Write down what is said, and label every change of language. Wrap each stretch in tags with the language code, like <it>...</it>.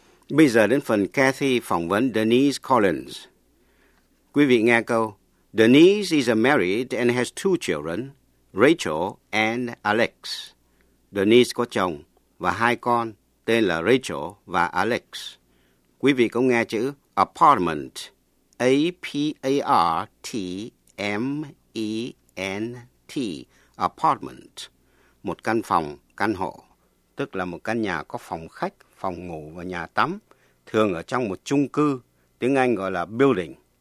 <vi>Bây giờ đến phần Kathy phỏng vấn Denise Collins. Quý vị nghe câu,</vi> <en>Denise is married and has two children, Rachel and Alex.</en> <vi>Denise có chồng và hai con, tên là Rachel và Alex. Quý vị cũng nghe chữ apartment, A-P-A-R-T-M-E-N-T, apartment, một căn phòng, căn hộ, tức là một căn nhà có phòng khách, phòng ngủ và nhà tắm, thường ở trong một chung cư, tiếng Anh gọi là building.</vi>